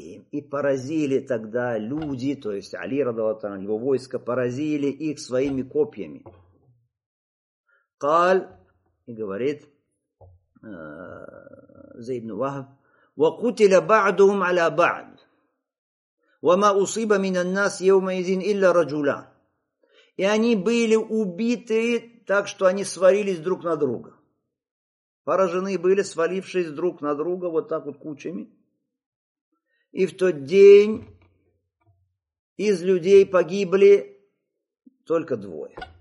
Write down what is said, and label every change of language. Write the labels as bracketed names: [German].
[Russian] И поразили тогда люди, то есть Али радиаллаху анху, его войско, поразили их своими копьями. [Arabic] قال [Russian] и говорит Зейд ибн Ваһб [Arabic] وقتل بعضهم على بعض وما أصيب من الناس يومئذ إلا رجلا. [Russian] И они были убиты так, что они свалились друг на друга. Поражены были, свалившись друг на друга вот так вот кучами. И в тот день из людей погибли только двое.